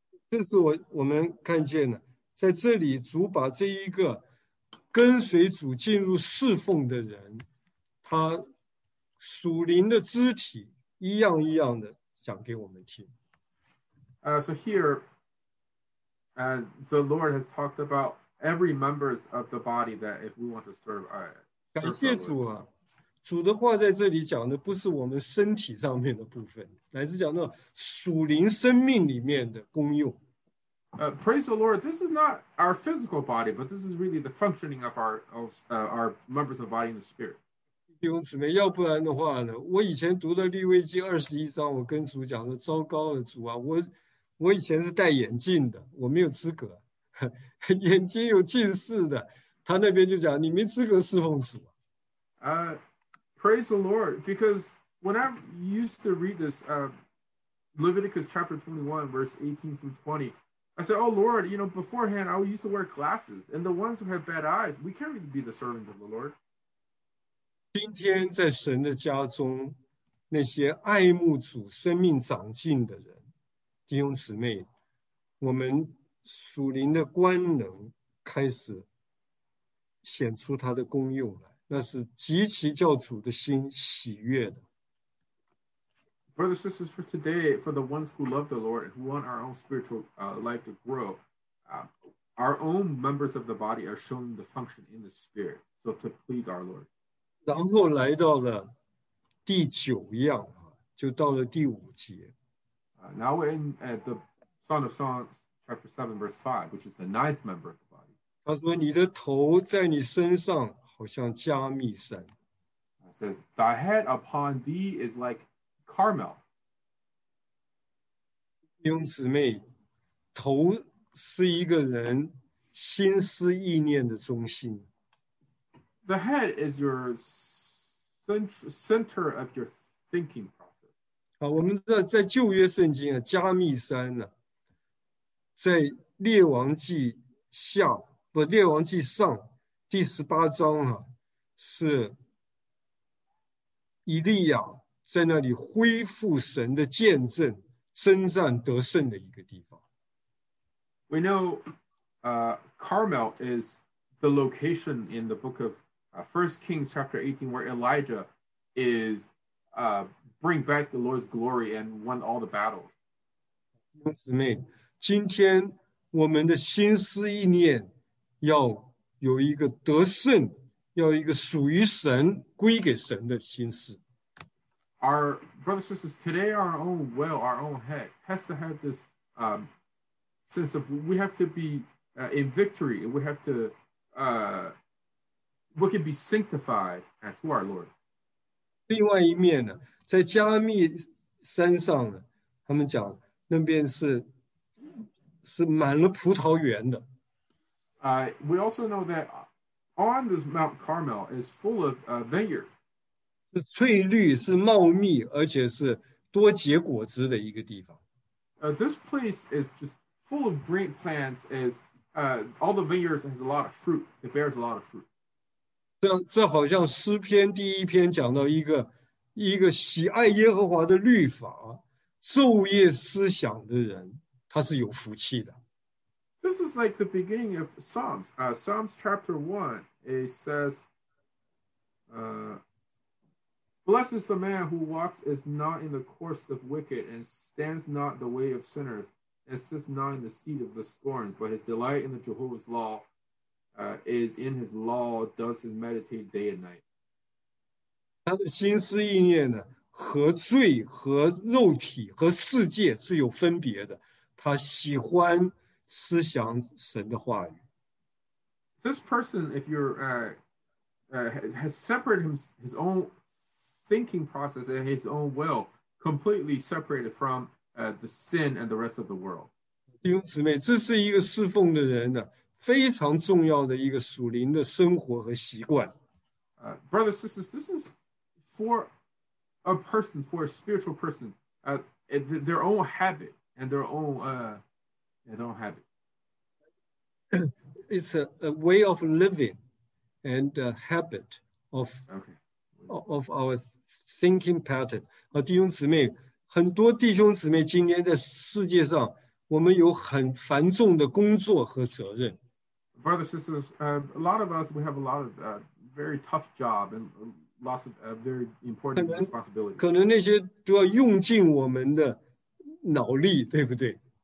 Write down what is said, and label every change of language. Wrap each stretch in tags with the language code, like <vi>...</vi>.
<zh>这是我们看见的，在这里主把这一个跟随主进入侍奉的人，他属灵的肢体。一样一样的讲给我们听。</zh> <en>So here, the Lord has talked about every members of the body that if we want to serve,</en> <zh>感谢主啊，主的话在这里讲的不是我们身体上面的部分，乃是讲到属灵生命里面的功用。</zh> <en>Praise the Lord, this is not our physical body, but this is really the functioning of our members of the body in the spirit.</en> <zh>弟兄姊妹，要不然的话呢？我以前读的利未记二十一章，我跟主讲的糟糕的主啊，我以前是戴眼镜的，我没有资格，眼睛有近视的，他那边就讲你没资格侍奉主、啊。</zh> <en>Praise the Lord, because when I used to read this, Leviticus chapter 21, verse 18 through 20, I said, "Oh Lord, you know, beforehand I used to wear glasses, and the ones who have bad eyes, we can't even be the servants of the Lord."</en> <zh>今天在神的家中，那些爱慕主、生命长进的人，弟兄姊妹，我们属灵的官能开始显出它的功用来，那是极其叫主的心喜悦的。</zh> <en>Brothers and sisters, for today, for the ones who love the Lord, who want our own spiritual life to grow, our own members of the body are shown the function in the spirit, so to please our Lord.</en> <zh>然后来到了第九样，就到了第五节。</zh> <en>Now we're in the Song of Songs, chapter 7, verse 5, which is the ninth member of the body.</en> <zh>他说你的头在你身上好像加密山。</zh> <en>It says, thy head upon thee is like Carmel.</en> <zh>弟兄姊妹，头是一个人心思意念的中心。</zh> <en>The head is your center of your thinking process.</en> <zh>我们知道在旧约圣经啊，加密山呢、啊，在列王记下不列王记上第十八章啊，是以利亚在那里恢复神的见证，征战得胜的一个地方。</zh> <en>We know, Carmel is the location in the book of First Kings, chapter 18, where Elijah is, bring back the Lord's glory and won all the battles.</en> <zh>姊妹，今天我们的心思意念要有一个得胜，要一个属于神、归给神的心思。</zh> <en>Our brothers and sisters, today our own will, our own head has to have this sense of we have to be in victory. We have to, we can be sanctified to our Lord.</en> <zh>另外一面呢，在加密山上呢，他们讲那边是满了葡萄园的。</zh> <en>We also know that on this Mount Carmel is full of vineyard.</en> <zh>是翠绿，是茂密，而且是多结果子的一个地方。</zh> <en>This place is just full of great plants. Is all the vineyards has a lot of fruit. It bears a lot of fruit.</en> <zh>这好像诗篇第一篇讲到一个喜爱耶和华的律法、昼夜思想的人，他是有福气的。</zh> <en>This is like the beginning of Psalms. Psalms chapter 1, it says, Blessed is the man who walks is not in the course of wicked, and stands not the way of sinners, and sits not in the seat of the scorn, but his delight in the Jehovah's law is in his law, does his meditate day and night.</en> <zh>他的心思意念呢，和罪、和肉体、和世界是有分别的。他喜欢思想神的话语。</zh> <en>This person, if you're has separated his own. Thinking process and his own will completely separated from the sin and the rest of the world.</en> <zh>弟兄姊妹，这是一个侍奉的人呢，非常重要的一个属灵的生活和习惯。</zh> <en>Brothers, sisters, this is for a person, for a spiritual person, their own habit and their own habit. It's a way of living and a habit of. Of our thinking pattern.</en> <zh>弟兄姊妹，很多弟兄姊妹今天在世界上，我们有很繁重的工作和责任。</zh> <en>Brothers, sisters, a lot of us, we have a lot of very tough job and lots of very important responsibilities.</en> <zh>可能那些都要用尽我们的脑力，对不对？</zh>